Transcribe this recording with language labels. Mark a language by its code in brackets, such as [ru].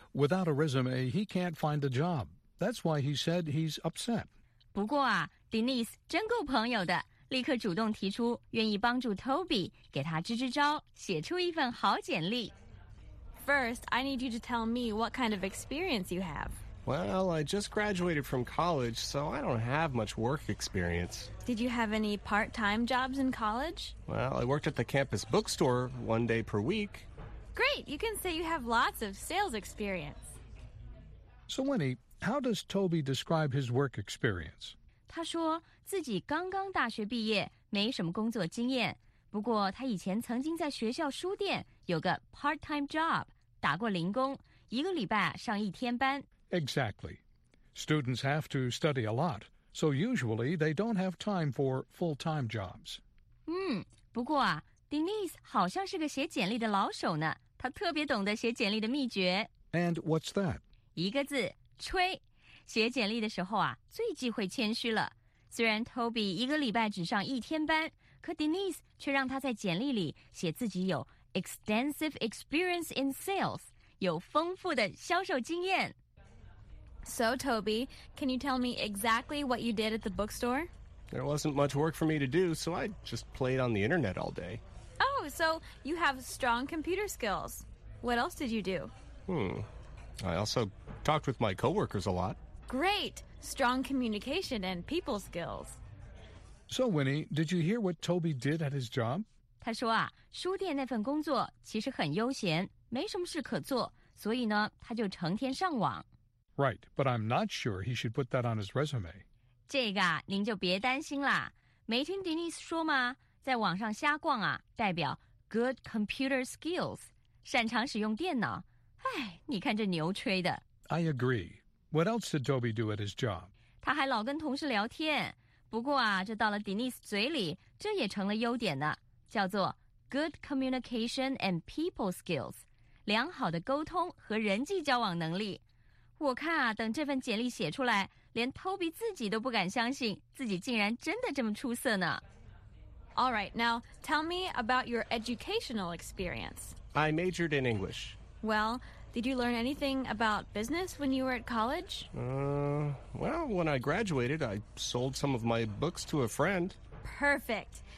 [en] Without a resume, he can't find a job. That's why he said he's upset. [zh] 不过啊 ,Denise 真够朋友的，立刻主动提出愿意帮助 Toby 给他支支招，写出一份好简历。 [en] First, I need you to tell me what kind of experience you have. Well, I just graduated from college, so I don't have much work experience. Did you have any part-time jobs in college? Well, I worked at the campus bookstore one day per week. Great! You can say you have lots of sales experience. So, Winnie, how does Toby describe his work experience? [zh] 他说自己刚刚大学毕业，没什么工作经验。不过他以前曾经在学校书店有个 [en] part-time job, [zh] 打过零工，一个礼拜上一天班。 [en] Exactly. Students have to study a lot, so usually they don't have time for full-time jobs. [zh] 不过啊 ,Denise 好像是个写简历的老手呢，她特别懂得写简历的秘诀。 [en] And what's that? [zh] 一个字，吹。写简历的时候啊，最忌讳谦虚了。虽然 Toby 一个礼拜只上一天班，可 Denise 却让他在简历里写自己有 [en] extensive experience in sales, [zh] 有丰富的销售经验。 [en] So, Toby, can you tell me exactly what you did at the bookstore? There wasn't much work for me to do, so I just played on the internet all day. Oh, so you have strong computer skills. What else did you do? I also talked with my coworkers a lot. Great! Strong communication and people skills. So, Winnie, did you hear what Toby did at his job? [zh] 他说啊，书店那份工作其实很悠闲，没什么事可做，所以呢，他就成天上网。 [en] Right, but I'm not sure he should put that on his resume. [zh] 这个啊，您就别担心啦。没听 Denise 说吗？在网上瞎逛啊，代表 [en] good computer skills, [zh] 擅长使用电脑。哎，你看这牛吹的。 [en] I agree. What else did Toby do at his job? [zh] 他还老跟同事聊天。不过啊，这到了 Denise 嘴里，这也成了优点呢，叫做 [en] good communication and people skills, [zh] 良好的沟通和人际交往能力。我看啊，等这份简历写出来，连 Toby 自己都不敢相信自己竟然真的这么出色呢。 [en] All right, now tell me about your educational experience. I majored in English. Well, did you learn anything about business when you were at college? When I graduated, I sold some of my books to a friend. Perfect.